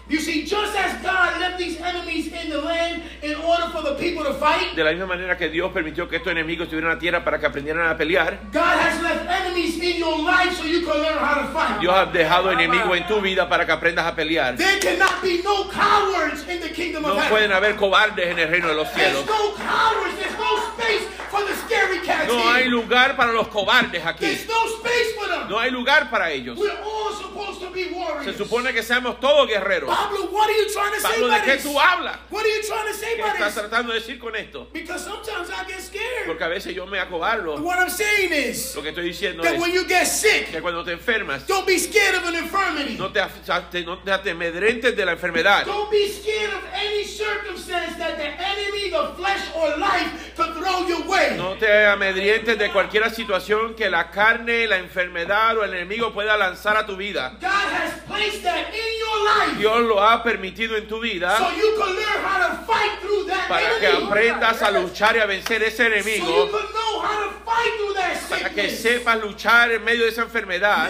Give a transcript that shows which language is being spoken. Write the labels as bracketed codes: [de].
[en] You see, just as God left these enemies in the land in order for the people to fight. [es] De la misma manera que Dios permitió que estos enemigos estuvieran en la tierra para que aprendieran a pelear. [en] God has left enemies in your life so you can learn how to fight. [es] Dios ha dejado enemigos en tu vida para que aprendas a pelear. [en] There cannot be no cowards in the kingdom of heaven. [es] No pueden haber cobardes en el reino de los cielos. [en] There's no space for the scary cats. [es] No hay lugar para los cobardes aquí. [en] There's no space for them. [es] No hay lugar para ellos. [en] We're all supposed to be warriors. [es] Se supone que seamos todos guerreros. [en] Pablo, what are you trying to say? [es] Pablo, ¿de qué tú hablas? [en] What are you trying to say by this? [es] ¿Qué estás tratando de decir con esto? [en] Because sometimes I get scared. [es] Porque a veces yo me acobardo. [en] What I'm saying is, [es] lo que estoy diciendo [en] that [es] es [en] when you get sick, [es] que cuando te enfermas, [en] don't be scared of an infirmity. [es] No te atemedrentes de la enfermedad. [en] Don't be scared of any circumstance that the enemy, the flesh or life to throw your way. [es] No te amedrientes de cualquier situación que la carne, la enfermedad o el enemigo pueda lanzar a tu vida. [en] God has placed that in your life. [es] Dios lo ha permitido en tu vida. [en] So you can learn how to fight through that [es] para [en] enemy. [es] Que aprendas a luchar y a vencer ese enemigo. [en] So you can know how to fight through that sickness. [es] Para que sepas luchar en medio de esa enfermedad.